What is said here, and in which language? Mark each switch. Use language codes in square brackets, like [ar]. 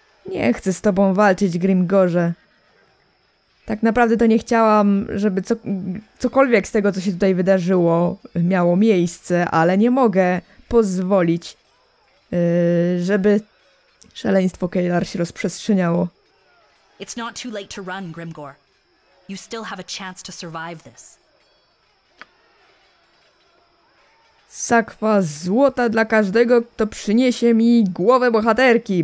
[pl] Nie chcę z tobą walczyć, Grimgorze. Tak naprawdę to nie chciałam, żeby cokolwiek z tego, co się tutaj wydarzyło, miało miejsce, ale nie mogę pozwolić, żeby szaleństwo Kaelar się rozprzestrzeniało. [en] It's not too late to run, Grimgor. You still have a chance to survive this. [pl] Sakwa złota dla każdego, kto przyniesie mi głowę bohaterki.